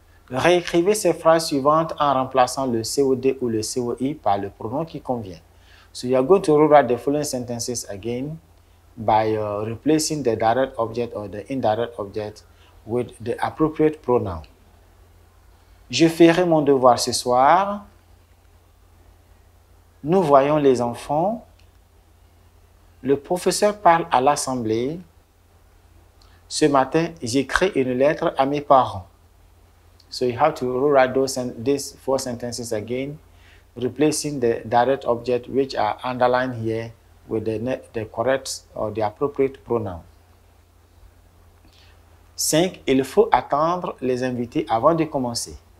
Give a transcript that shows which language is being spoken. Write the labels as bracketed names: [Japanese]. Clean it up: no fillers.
[French] Réécrivez ces phrases suivantes en remplaçant le COD ou le COI par le pronom qui convient. [English] So, you are going to rewrite the following sentences again by replacing the direct object or the indirect object with the appropriate pronoun. [French] Je ferai mon devoir ce soir. Nous voyons les enfants. Le professeur parle à l'assemblée. Ce matin, j'écris une lettre à mes parents. [English] So you have to rewrite these four sentences again, replacing the direct object which are underlined here with the correct or the appropriate pronoun. 5. [French] Il faut attendre les invités avant de commencer.